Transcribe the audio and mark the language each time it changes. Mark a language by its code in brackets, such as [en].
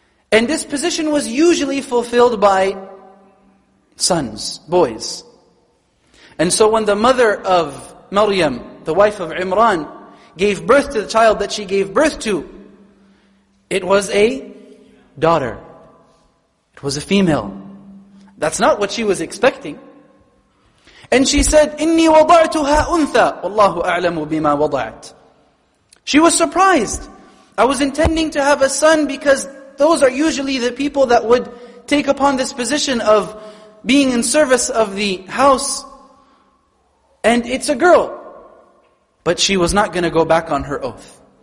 [en] And this position was usually fulfilled by sons, boys. And so when the mother of Maryam, the wife of Imran, gave birth to the child that she gave birth to, it was a daughter. It was a female. That's not what she was expecting. And she said, [ar] إِنِّي وَضَعْتُهَا أُنْثَى وَاللَّهُ أَعْلَمُ بِمَا وَضَعَتْ. [en] She was surprised. I was intending to have a son because those are usually the people that would take upon this position of being in service of the house. And it's a girl. But she was not going to go back on her oath.